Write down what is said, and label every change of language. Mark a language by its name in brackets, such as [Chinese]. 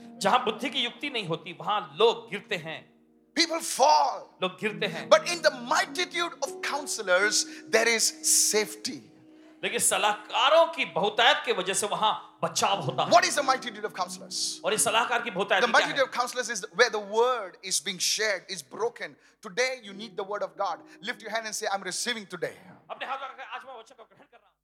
[Hindi] जहाँ बुद्धि की युक्ति नहीं होती वहाँ लोग गिरते हैं. [English] People fall. [Hindi] लोग गिरते हैं. [English] But in the multitude of counselors, there is safety. [Hindi] लेकिन सलाहकारों की बहुतायत के वजह से वहाँ बचाव होता है. [English] What is the multitude of counselors? [Hindi] और इस सलाहकार की बहुतायत क्या है? [English] The multitude of counselors is where the word is being shared, is broken. Today you need the word of God. Lift your hand and say, I'm receiving today. [Hindi] अपने हाथ उठाकर आज मैं वचन को ग्रहण कर रहा हूँ.